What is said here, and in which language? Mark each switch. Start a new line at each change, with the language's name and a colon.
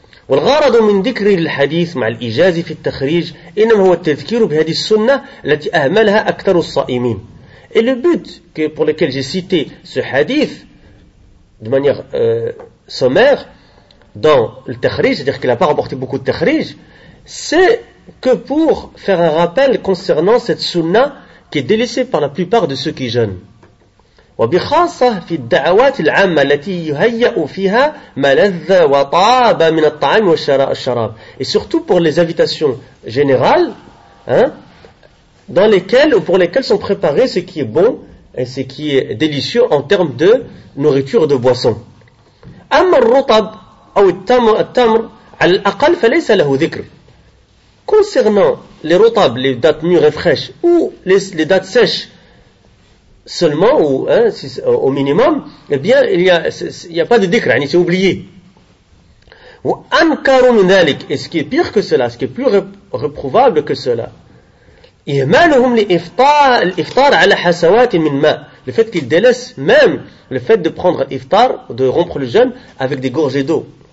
Arabic: والغرض من ذكر الحديث مع الإجاز في التخريج إنما هو التذكير بهذه السنة التي أهملها أكثر الصائمين.
French: Et le but pour lequel j'ai cité ce hadith de manière sommaire dans le tahrij, c'est-à-dire qu'il n'a pas rapporté beaucoup de tahrij, c'est que pour faire un rappel concernant cette sunna qui est délaissée par la plupart de ceux qui jeûnent.
Arabic: وبخاصة في الدعوات العامة التي يهيأ فيها ملذ وطاب من الطعام والشراب.
French: Et surtout pour les invitations générales, hein, dans lesquelles ou pour lesquelles sont préparés ce qui est bon et ce qui est délicieux en termes de nourriture et de boisson.
Arabic: أما الرطب أو التمر على الأقل فليس له ذكر.
French: Concernant les rotab, les dates mûres et fraîches ou les dates sèches. Seulement, ou hein, si, au minimum, eh bien, il n'y a pas de dhikr, hein, c'est oublié. Ou
Arabic: ankaru min dhalik,
French: et ce qui est pire que cela, ce qui est plus réprouvable que cela,
Arabic: ihmaluhum l'iftar ala hasawati min ma,
French: le fait qu'ils délaissent même le fait de prendre l'iftar, de rompre le jeûne, avec des gorgées d'eau.